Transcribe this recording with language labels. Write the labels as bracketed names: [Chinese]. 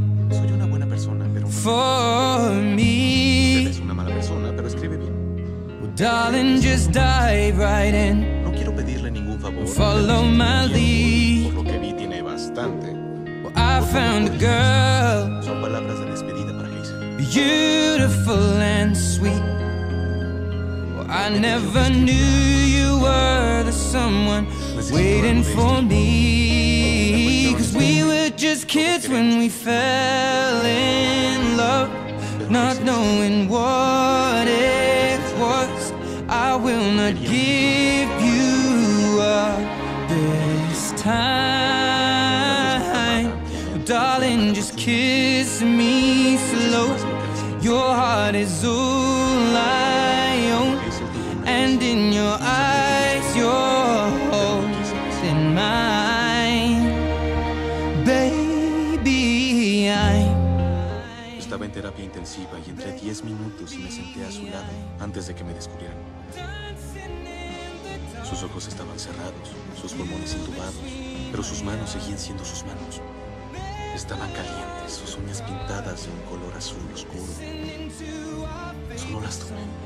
[Spanish] Soy una buena persona, pero [English] for me. [Spanish] Eres una mala persona, pero escribe bien. [English] Well, darling, just dive right in. [Spanish] No quiero pedirle ningún favor. [English] Follow my lead. [Spanish] Por lo que vi, tiene bastante. [English] Well, I found a girl. [Spanish] Son palabras de despedida para Lisa. [English] Beautiful and sweet. I never knew you were the someone waiting for me. 'Cause we were just kids when we fell in love, not knowing what it was. I will not give you up this time. Darling, just kiss me slow. Your heart is all I own. And in your eyes, you're holding mine, baby. [Spanish] Estaba en terapia intensiva y entré 10 minutos y me senté a su lado antes de que me descubrieran. Sus ojos estaban cerrados, sus pulmones intubados, pero sus manos seguían siendo sus manos. Estaban calientes, sus uñas pintadas de un color azul oscuro. Solo las tomé.